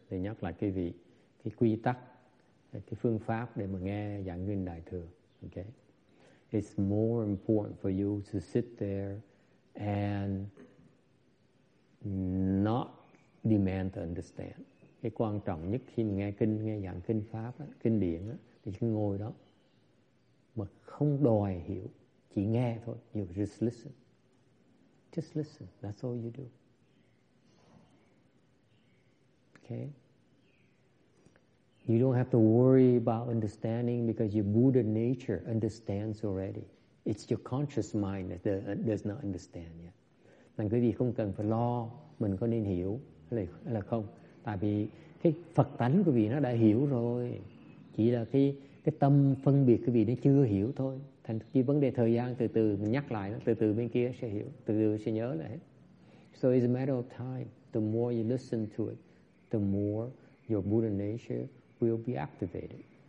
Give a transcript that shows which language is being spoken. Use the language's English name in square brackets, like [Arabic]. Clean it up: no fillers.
[Vietnamese] Để nhắc lại cái vị, cái quy tắc, cái phương pháp để mà nghe giảng kinh Đại Thừa. [English] Okay? It's more important for you to sit there and not demand to understand. [Vietnamese] Cái quan trọng nhất khi mình nghe kinh, nghe giảng kinh Pháp, kinh điển, thì cứ ngồi đó. Mà không đòi hiểu, chỉ nghe thôi. [English] You just listen. Just listen. That's all you do. Okay? You don't have to worry about understanding because your Buddha nature understands already. It's your conscious mind that does not understand yet. [Vietnamese] Nên quý vị không cần phải lo mình có nên hiểu hay là không. Tại vì cái Phật tánh của vị nó đã hiểu rồi. Chỉ là cái tâm phân biệt cái vị nó chưa hiểu thôi. Thành chỉ vấn đề thời gian, từ từ mình nhắc lại, từ từ bên kia sẽ hiểu, từ từ sẽ nhớ lại hết. [English] So it's a matter of time. The more you listen to it, the more your Buddha nature will be activated.